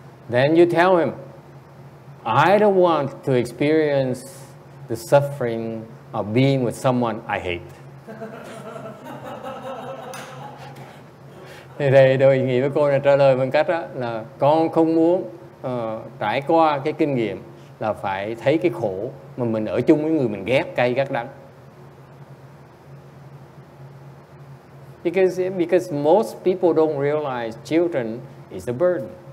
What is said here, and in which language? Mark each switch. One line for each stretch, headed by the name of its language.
English: Then you tell him, I don't want to experience the suffering of being with someone I hate.
Vietnamese: Thì thầy đồng nghĩ với cô là trả lời bằng cách đó là con không muốn trải qua cái kinh nghiệm là phải thấy cái khổ mà mình ở chung với người mình ghét cay ghét đắng.
English: Because most people don't realize children is a burden.